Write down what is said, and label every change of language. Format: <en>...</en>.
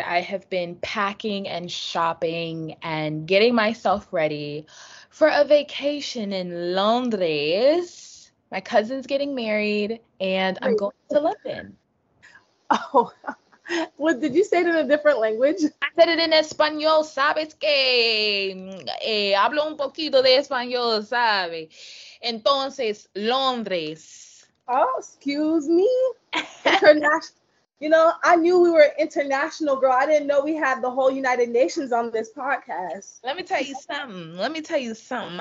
<en>I have been packing and shopping and getting myself ready for a vacation in Londres. My cousin's getting married and I'm going to London. Oh, what did you say it in a different language? I said it in Espanol,</en> <es>¿sabes qué? Hablo un poquito de Espanol, ¿sabes? Entonces, Londres.</es> <en>Oh, excuse me? International. You know, I knew we were international, girl. I didn't know we had the whole United Nations on this podcast. Let me tell you something.</en>